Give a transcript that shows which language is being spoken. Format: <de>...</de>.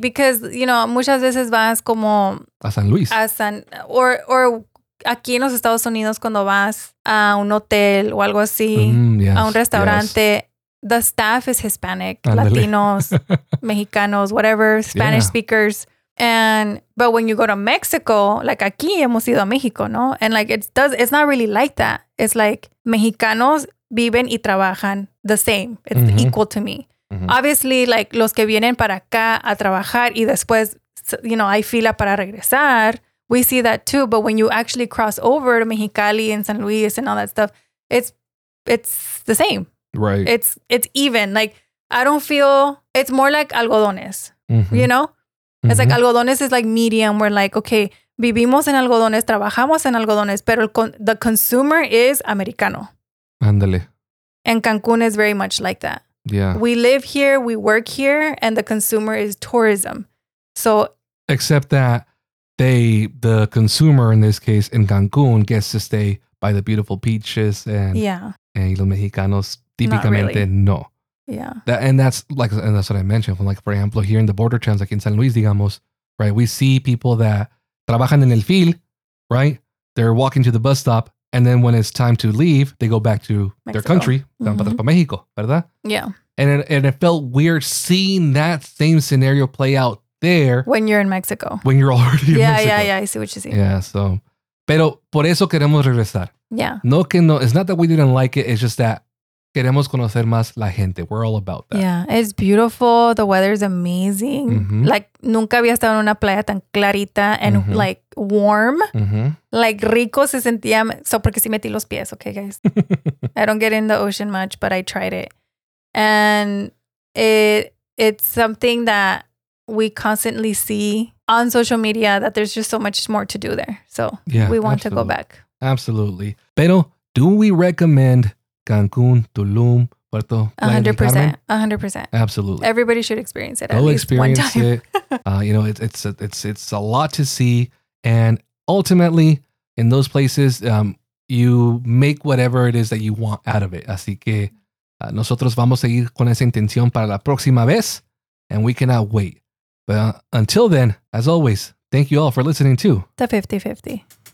<en>Because, you know,</en> <es>muchas veces vas como... A San Luis. Or aquí en los Estados Unidos cuando vas a un hotel o algo así, a un restaurante,</es> <en>the staff is Hispanic,</en> <es>Andale.</es> <en>Latinos, Mexicanos, whatever, Spanish speakers. But when you go to Mexico, like</en> <es>aquí hemos ido a México, ¿no?</es> <en>And like it's not really like that. It's like</en> <es>Mexicanos viven y trabajan</es> <en>the same. It's equal to me. Mm-hmm.</en> <es>Obviously, like los que vienen para acá a trabajar y después,</es> <en>you know,</en> <es>hay fila para regresar.</es> <en>We see that too, but when you actually cross over to Mexicali and San Luis and all that stuff, it's the same. Right. It's even. Like, I don't feel, it's more like algodones, you know? It's like algodones is like medium. We're like, okay,</en> <es>vivimos en algodones, trabajamos en algodones, pero</es> <en>the consumer is Americano.</en> <es>Ándale.</es> <en>And Cancun is very much like that. Yeah. We live here, we work here, and the consumer is tourism. So. Except that. The consumer in this case in Cancun gets to stay by the beautiful beaches and yeah.</en> <es>Y los Mexicanos típicamente</es> <en>really.</en> <es>No.</es> <en>Yeah. That's what I mentioned. Like, for example, here in the border towns, like in San Luis, digamos, right? We see people that</en> <es>trabajan en el fil,</es> <en>right? They're walking to the bus stop, and then when it's time to leave, they go back to Mexico. Their country,</en> <es>para Mexico, ¿verdad?</es> <en>Yeah. And it felt weird seeing that same scenario play out there. When you're in Mexico. When you're already in Mexico. Yeah, yeah, yeah. I see what you see. Yeah, so.</en> <es>Pero por eso queremos regresar.</es> <en>Yeah.</en> <es>No que no.</es> <en>It's not that we didn't like it. It's just that</en> <es>queremos conocer más la gente.</es> <en>We're all about that. Yeah. It's beautiful. The weather is amazing. Mm-hmm.</en> <es>Like, nunca había estado en una playa tan clarita</es> <en>and like warm. Mm-hmm.</en> <es>Like, rico se sentía. So, porque sí metí los pies.</es> <en>Okay, guys. I don't get in the ocean much, but I tried it. And it's something that we constantly see on social media that there's just so much more to do there. So we want to go back. Absolutely. Pero, do we recommend Cancun, Tulum, Puerto? 100%. 100%. Absolutely. Everybody should experience it at least one time. You know, it's a lot to see. And ultimately, in those places, you make whatever it is that you want out of it.</en> <es>Así que nosotros vamos a ir con esa intención para la próxima vez.</es> <en>And we cannot wait. But until then, as always, thank you all for listening to The 50-50.</en>